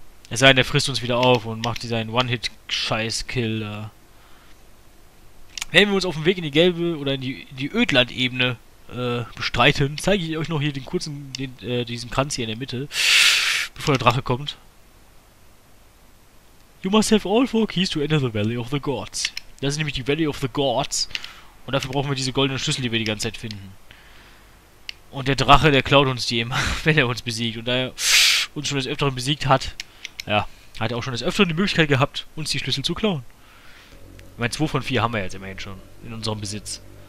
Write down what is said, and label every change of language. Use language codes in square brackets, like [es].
[de] Es sei denn, der frisst uns wieder auf und macht seinen One-Hit-Scheiß-Kill da. Wenn wir uns auf dem Weg in die gelbe oder in die Ödland-Ebene bestreiten, zeige ich euch noch hier den kurzen, diesen Kranz hier in der Mitte, bevor der Drache kommt. [en] You must have all 4 keys to enter the Valley of the Gods. [de] Das ist nämlich die Valley of the Gods. Und dafür brauchen wir diese goldenen Schlüssel, die wir die ganze Zeit finden. Und der Drache, der klaut uns die immer, wenn er uns besiegt. Und da er uns schon des Öfteren besiegt hat, ja, hat er auch schon des Öfteren die Möglichkeit gehabt, uns die Schlüssel zu klauen. Ich meine, 2 von 4 haben wir jetzt immerhin schon in unserem Besitz.